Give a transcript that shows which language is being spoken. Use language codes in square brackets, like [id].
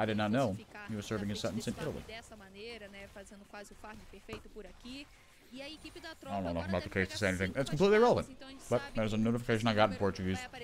[en] I did not know. You were serving a sentence in Italy. [pt] Dessa maneira, né, fazendo quase o farm perfeito por aqui. [en] I don't know enough about the case to say anything. It's completely irrelevant. But there's a notification I got in Portuguese.